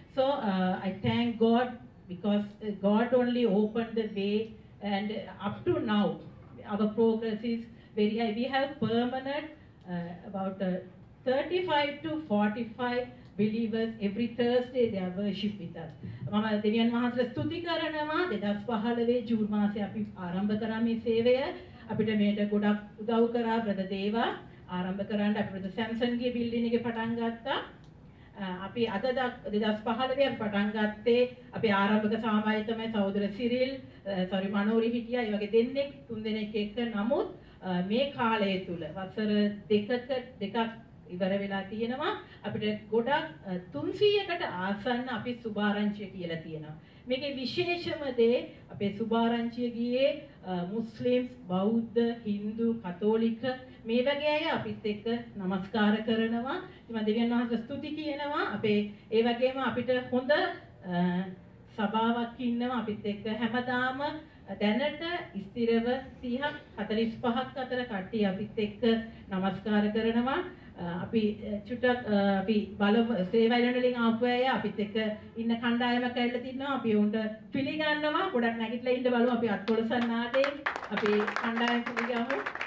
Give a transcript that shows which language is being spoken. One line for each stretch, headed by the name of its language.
English: So I thank God, because God only opened the way, and up to now our progress is very high. We have permanent about 35 to 45 believers. Every Thursday they are worship with us.
Sinhala: මම දෙවියන් වහන්සේට ස්තුති කරනවා 2015 June මාසේ අපි ආරම්භ කරා මේ සේවය. අපිට මේට ගොඩක් උදව් කරා බ්‍රද දේවා ආරම්භ කරන්න. අපි බ්‍රද සැම්සන්ගේ බිල්ඩින් එක පටන් ගත්තා. අපි අද 2015 අපි පටන් ගත්තේ අපි ආරම්භක සාමය තමයි සහෝදර සිරිල්, සෝරි මනෝරි හිටියා. ඒ වගේ දෙන්නෙක් 3 දෙනෙක් එක්ක. නමුත් මේ කාලය තුල වසර දෙකක් ඉවර වෙලා තියෙනවා. අපිට ගොඩක් 300කට ආසන්න අපි සුභාරංචිය කියලා තියෙනවා. මේකේ විශේෂම දේ අපේ සුභාරංචිය ගියේ මුස්ලිම්ස් බෞද්ධ හින්දු කතෝලික මේ වගේ අය අපිත් එක්ක නමස්කාර කරනවා මම දෙවියන් වහන්සේ ස්තුති කියනවා අපේ ඒ වගේම අපිට හොඳ සභාවක් ඉන්නවා අපිත් එක්ක හැමදාම දැනට ස්ථිරව 30 45ක් අතර කට්ටිය අපිත් එක්ක නමස්කාර කරනවා අපි චුට්ටක් අපි බලමු සේවයලනලින් ආපු අය අපිත් එක්ක ඉන්න කණ්ඩායමක් ඇවිල්ලා තිනවා අපි උන්ට පිළිගන්නවා ගොඩක් නැගිටලා ඉන්න බලමු අපි අත්කොළ සන්නාතයෙන් අපි කණ්ඩායම පිළිගමු